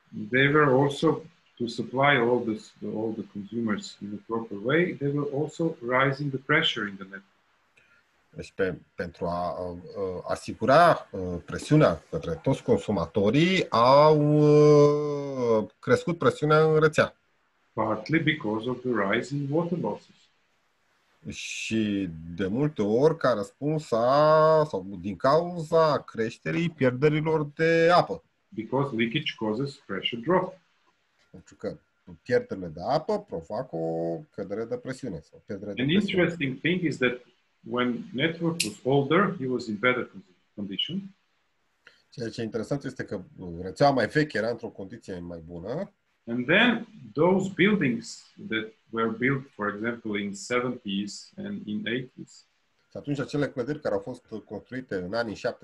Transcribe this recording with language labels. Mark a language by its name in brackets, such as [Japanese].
[English] they were also to supply all the consumers in a proper way, they were also rising the pressure in the network. [Romanian] Deci pentru a asigura presiunea către toți consumatorii, au crescut presiunea în rețea. [English] Partly because of the rise in water losses. [Romanian] Și de multe ori ca răspuns sau din cauza creșterii pierderilor de apă. [English] Because leakage causes pressure drop. [Romanian] Pentru că pierderile de apă provoacă o cădere de presiune. [English] An interesting thing is that when network was older, he was in better condition. [Romanian] Ceea ce e interesant este că rețeaua mai veche era într-o condiție mai bună. [English] And then those buildings that were built, for example, in 70s and in 80s. [Romanian] Și atunci acele clădiri care au fost construite în anii 70-80.